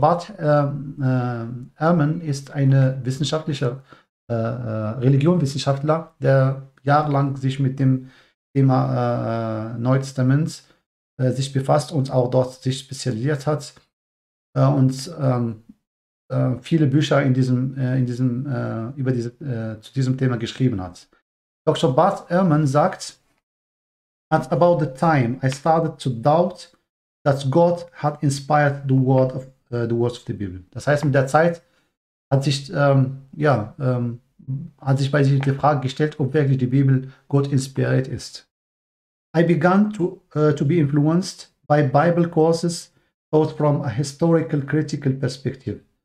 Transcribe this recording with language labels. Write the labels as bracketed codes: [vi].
[de] Bart Ehrman ist ein wissenschaftlicher Religionswissenschaftler, der jahrelang sich mit dem Thema Neuen Testaments sich befasst und auch dort sich spezialisiert hat und viele Bücher zu diesem Thema geschrieben hat. Dr. [en] Bart Ehrman sagt: "At about the time I started to doubt that God had inspired the words of the Bible." [de] Das heißt, mit der Zeit hat sich bei sich die Frage gestellt, ob wirklich die Bibel Gott inspiriert ist. [en] I began to be influenced by Bible courses both from a historical critical perspective.